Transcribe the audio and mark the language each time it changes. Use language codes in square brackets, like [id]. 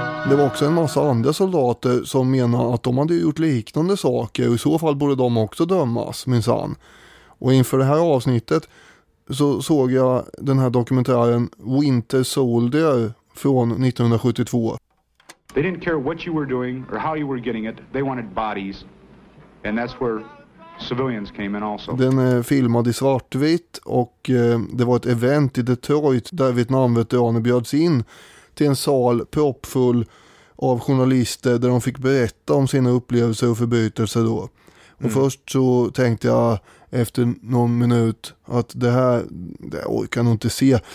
[sv] Det var också en massa andra soldater som menar att de hade gjort liknande saker, och i så fall borde de också dömas, minsann. Och inför det här avsnittet så såg jag den här dokumentären Winter Soldier från 1972. [en] They didn't care what you were doing or how you were getting it. They wanted bodies. And that's where civilians came in also. [sv] Den är filmad i svartvitt, och det var ett event i Detroit där Vietnamveteraner bjöds in till en sal proppfull av journalister där de fick berätta om sina upplevelser och förbrytelser då. Och först så tänkte jag efter någon minut att det orkar nog inte se.